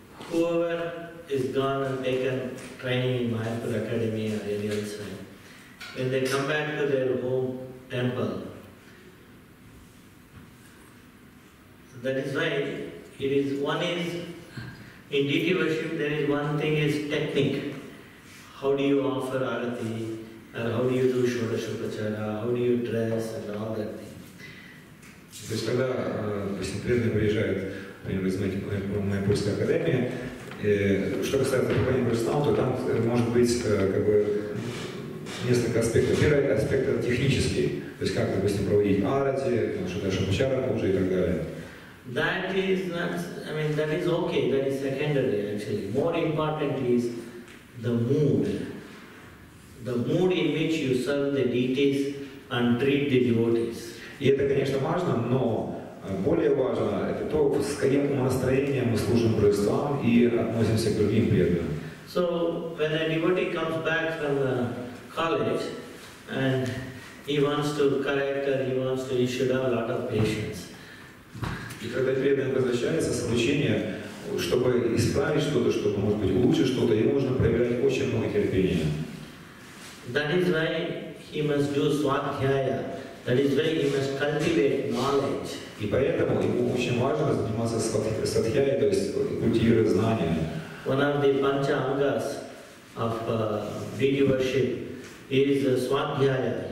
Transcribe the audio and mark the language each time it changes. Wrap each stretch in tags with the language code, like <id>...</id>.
<en>Whoever is gone and taken training in Mayapur Academy or any other, when they come back to their home temple, that is why it is, one is, in deity worship there is one thing is technique. How do you offer arati, or how do you do shodashopachara, how do you dress and all that thing.</en> <ru>То есть когда преданные приезжают, например, из Майпурской академии, что касается поклонения Божествам, то там может быть как бы несколько аспектов. Первый аспект – технический, то есть как, допустим, проводить арати, шудашамачара уже и так далее.</ru> <en>That is not, I mean, that is okay, that is secondary actually. More important is the mood in which you serve the deities and treat the devotees.</en> <ru>И это, конечно, важно, но более важно это то, с каким настроением мы служим Божествам и относимся к другим преданным.</ru> <en>So when a devotee comes back from the college and he wants to correct or he wants to, he should have a lot of patience.</en> <ru>И когда преданный возвращается с обучения, чтобы исправить что-то, чтобы, может быть, улучшить что-то, ему нужно проявлять очень много терпения.</ru> <en>That is why he must do swadhyaya. That is why he must cultivate knowledge.</en> <ru>И поэтому ему очень важно заниматься садхьяй, то есть культивировать знания.</ru> <en>One of the pancha angas of deity worship is swadhyaya.</en>